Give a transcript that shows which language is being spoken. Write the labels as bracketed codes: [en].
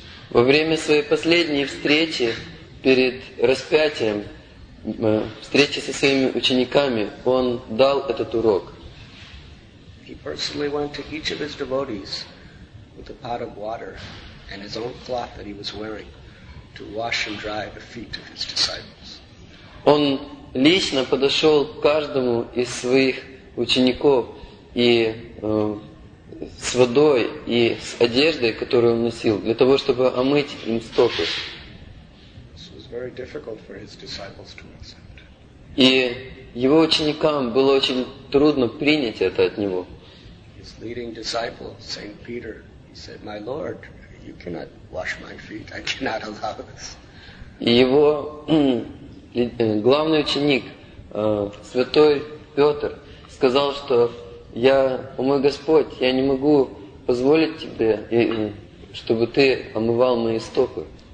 [ru] Во время своей последней встречи перед распятием, встречи со своими учениками, он дал этот урок. [en] He personally went to each of his devotees with a pot of water and his own cloth that he was wearing to wash and dry the feet of his disciples. [ru] Он лично подошел к каждому из своих учеников и с водой и с одеждой, которую он носил, для того, чтобы омыть им стопы. [en] This was very difficult for his disciples to accept. [ru] И его ученикам было очень трудно принять это от него. [en] Leading disciple, Saint Peter, he said, "My Lord, you cannot wash my feet. I cannot allow this." [ru] Его главный ученик, святой Петр, сказал, что я, о мой Господь, я не могу позволить тебе, чтобы ты омывал мои стопы.